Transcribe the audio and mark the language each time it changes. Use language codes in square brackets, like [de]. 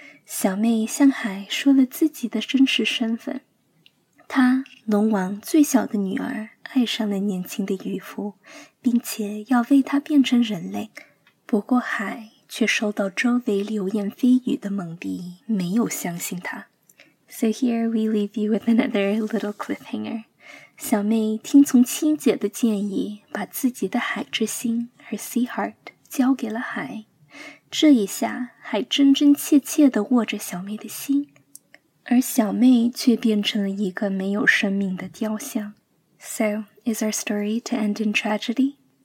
[zh] 小妹向海说了自己的真实身份，她龙王最小的女儿爱上了年轻的渔夫，并且要为他变成人类。不过海却受到周围流言蜚语的蒙蔽，没有相信他。 [en] So here we leave you with another little cliffhanger. [zh] 小妹听从七姐的建议，把自己的海之心 [en] her sea heart [zh] 交给了海。这一下，海真真切切地握着小妹的心，而小妹却变成了一个没有生命的雕像。 [en] So, is our story to end in tragedy?